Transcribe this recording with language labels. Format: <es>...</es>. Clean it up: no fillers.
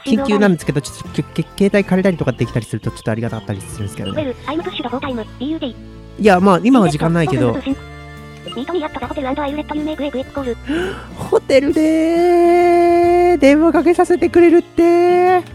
<ja>緊急なんですけど、ちょっと携帯借りたりとかできたりするとちょっとありがたかったりするんですけど。</ja> <en>Well, I'm pushed for time. Do you day?</en> <ja>いや、まあ今は時間ないけど。</ja> <en>Meet me at the hotel and I'll let you make a quick call.</en> <ja>ホテルで電話かけさせてくれるって。</ja>